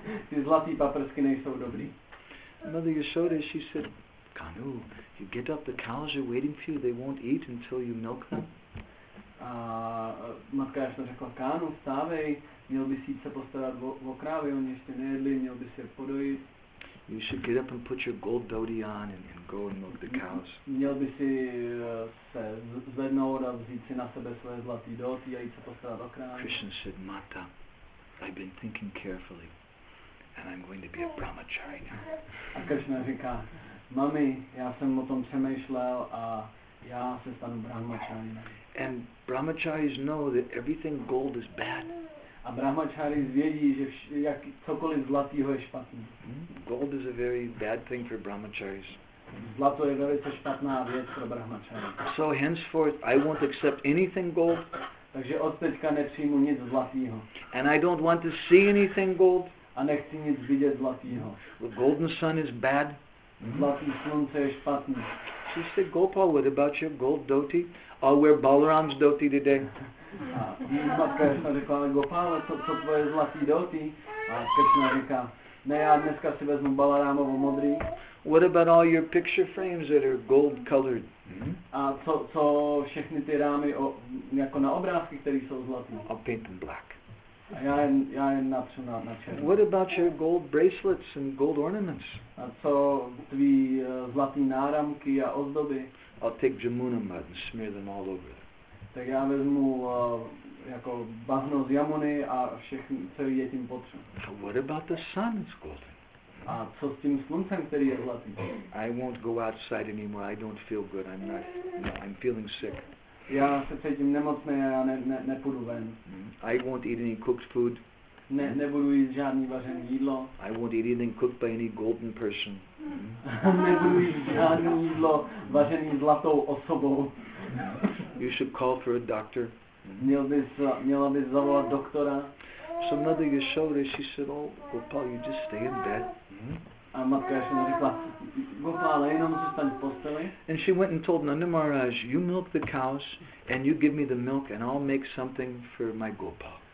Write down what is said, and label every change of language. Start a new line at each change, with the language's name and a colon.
Czech: Ty zlatý paprsky nejsou dobrý.
English: Mother Yashoda, she said, Kanu, you get up, the cows are waiting for you, they won't eat until you milk them.
Czech: A matka Yashoda řekla, Kanu, vstávej, měl bys jít se postarat o krávy, oni ještě nejedli, měl bys je podojit.
English: You should get up and put your gold dhoti on and go and milk the cows.
Czech: Měl by si se zvednout a vzít si na sebe své zlatý dhoti a jít se postarat o krávy.
English: Krishna said, Mata, I've been thinking carefully and I'm going to be a brahmachari now.
Czech: A Krishna říká, Mami, já jsem o tom přemýšlel a já se stanu brahmachari.
English: And brahmacharis know that everything gold is bad.
Czech: A brahmacharis vědí, že jak cokoliv zlatýho je špatný.
English: Gold is a very bad thing for brahmacharis.
Czech: Zlato je velice špatná věc pro brahmacharis.
English: So henceforth I won't accept anything gold.
Czech: Takže od teďka nepřijmu nic zlatýho.
English: And I don't want to see anything gold.
Czech: A nechci nic vidět zlatýho.
English: The golden sun is bad.
Czech: Zlatý slunce je špatný.
English: She said, Gopal, what about your gold dhoti? I'll wear Balaram's dhoti today.
Czech: A matka Krishna řekla, ale Gopala, co tvoje zlatý dhoti? A Krishna říká, ne, já dneska si vezmu Balarámovo modrý.
English: What about all your picture frames that are gold colored?
Czech: A co všechny ty rámy jako na obrázky, které jsou zlatý?
English: I'll paint them black.
Czech: A já jen napřu na černý.
English: What about your gold bracelets and gold ornaments?
Czech: A co tvý zlatý náramky a ozdoby?
English: I'll take Jamuna mud and smear them all over.
Czech: Tak já vezmu jako bahno z Jamuny a všechny, celý je tím potřu.
English: So what about the sun? It's golden.
Czech: A co s tím sluncem, který je zlatý?
English: I won't go outside anymore. I don't feel good. I'm not. No, I'm feeling sick.
Czech: Já se cítím nemocný a já nepůjdu ven.
English: I won't eat any cooked food.
Czech: Nebudu jíst žádný vařený jídlo.
English: I won't eat anything cooked by any golden person.
Czech: Nebudu jíst žádný jídlo vařený zlatou osobou.
English: You should call for a doctor.
Czech: Měla bys zavolat doktora.
English: So Mother Yashoda, she said, oh, Gopal, you just stay in bed.
Czech: A matka Yashoda řekla, Gopale, jenom se staň v posteli.
English: And she went and told Nanda Maharaj, you milk the cows, and you give me the milk, and I'll make something for my Gopal.